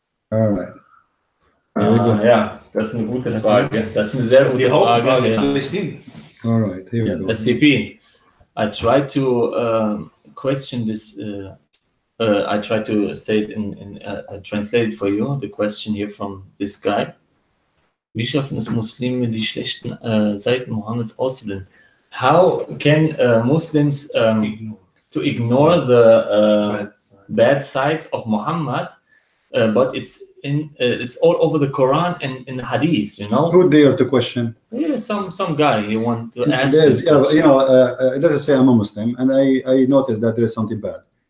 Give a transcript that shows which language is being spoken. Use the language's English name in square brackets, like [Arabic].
[English] All right. [German] Ja, das ist eine gute Frage. Das ist eine sehr gute die Frage. Die Hauptfrage, ja. [English] All right, here we go. SCP, I try to question this. I try to say it in translate it for you, the question here from this guy. [German] Wie schaffen es Muslime, die schlechten Seiten Mohammeds auszublenden? [English] How can Muslims to ignore the bad sides of Muhammad? But it's in it's all over the Quran and in the Hadith, you know. Who dared to question? Yeah, some guy you want to ask. There's, you know, let us say I'm a Muslim and I noticed that there is something bad.